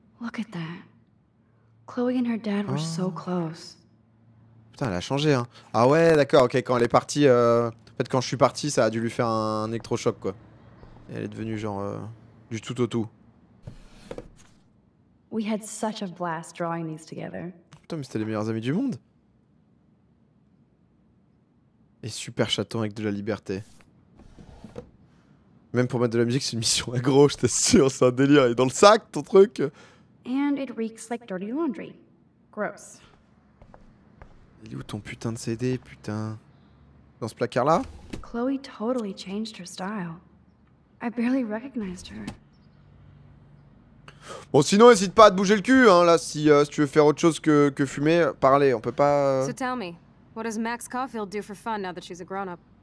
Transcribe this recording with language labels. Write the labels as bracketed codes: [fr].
[en] Look at that. Chloe and her dad were so close. [fr] Putain, elle a changé, hein. Ah ouais, d'accord, ok, quand elle est partie, En fait, quand je suis parti, ça a dû lui faire un électrochoc, quoi. Et elle est devenue, genre, du tout au tout. [en] We had such a blast drawing these together. [fr] Putain, mais c'était les meilleurs amis du monde. Et super chaton avec de la liberté. Même pour mettre de la musique, c'est une mission agro, je t'assure, c'est un délire. Il est dans le sac, ton truc. [en] And it reeks like dirty laundry. Gross. [fr] Il est où ton putain de CD, putain? Dans ce placard-là? [en] Chloe totally changed her style. I barely recognized her. [fr] Bon, sinon, n'hésite pas à te bouger le cul, hein, là, si tu veux faire autre chose que fumer, parler, on peut pas... [en] So tell me, what does Max Caulfield do for fun now that she's a grown-up?